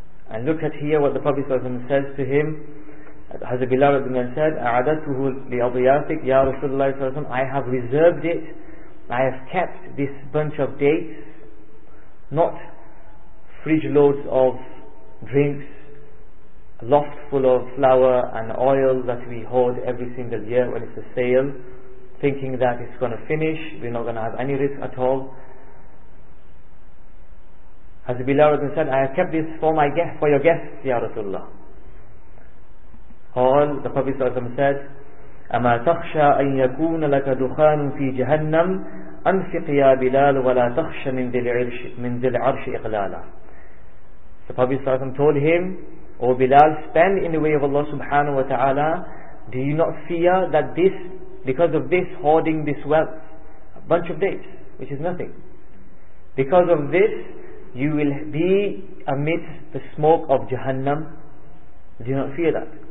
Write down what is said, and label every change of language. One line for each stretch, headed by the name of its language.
English: And look at here what the Prophet says to him. Has a Bilal ibn Umar said,
Arabic: أَعَدَتُهُ لِأَضِيَافِكْ يَا رَسُولَ اللَّهِ صَلَّى اللَّهُ عَلَيْهِ وَسَلَّمَ.
English: I have reserved it, I have kept this bunch of dates, not fridge loads of drinks, loft full of flour and oil that we hold every single year when it's a sale, thinking that it's going to finish, we're not going to have any risk at all. Has a Bilal ibn said, I have kept this for my guest, for your guests, Ya Rasulullah.
Arabic: قال
English: the Prophet
Arabic: صلى الله عليه وسلم said أما تخشى أن يكون لك دخان في جهنم أنفق يا بلال ولا تخشى من ذي العرش من ذي العرش إغلالا.
English: The Prophet صلى الله عليه وسلم told him, O Bilal, spend in the way of Allah subhanahu wa ta'ala. Do you not fear that this, because of this hoarding this wealth, a bunch of dates, which is nothing, because of this you will be amidst the smoke of Jahannam? Do you not fear that?